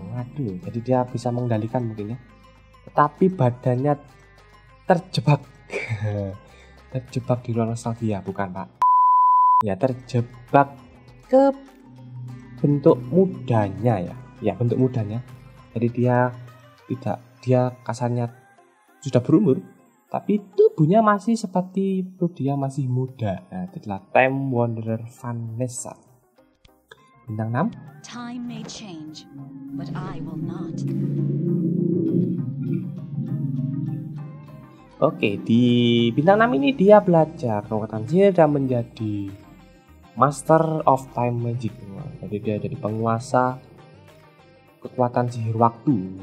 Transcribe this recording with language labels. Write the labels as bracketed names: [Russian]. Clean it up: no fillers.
[Indonesian] Aduh, jadi dia bisa mengendalikan mungkin ya, tetapi badannya terjebak di ruang nostalgia, bukan pak ya, terjebak ke bentuk mudanya ya bentuk mudanya. Jadi dia kasarnya sudah berumur tapi tubuhnya masih seperti itu, dia masih muda. Nah, itulah Time Wanderer Vanessa. Bintang 6. [English] Time may change, but I will not. [Indonesian] Oke, di bintang 6 ini dia belajar kekuatan sihir dan menjadi Master of Time Magic. Jadi dia jadi penguasa kekuatan sihir waktu.